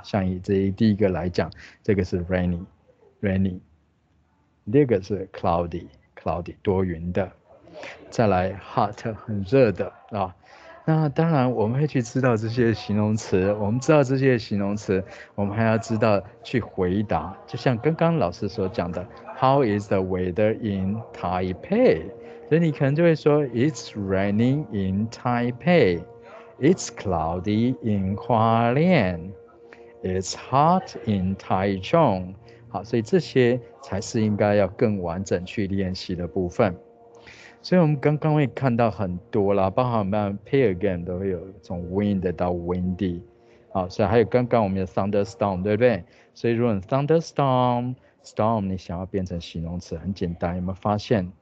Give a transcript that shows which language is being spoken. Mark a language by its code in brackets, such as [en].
[zh] 像以这一第一个来讲，这个是 rainy，rainy，第二个是 cloudy，cloudy 多云的，再来 hot 很热的啊。那当然我们会去知道这些形容词，我们知道这些形容词，我们还要知道去回答。就像刚刚老师所讲的， [en] How is the weather in Taipei？ [zh] 所以你可能就会说， [en] It's raining in Taipei, It's cloudy in Hualien, It's hot in Taichung。 [zh] 好，所以这些才是应该要更完整去练习的部分。所以我们刚刚会看到很多啦，包含我们 pair game 都会有从 wind 到 windy。好，所以还有刚刚我们的 thunderstorm，对不对？所以如果你 thunderstorm，storm 你想要变成形容词，很简单，有没有发现？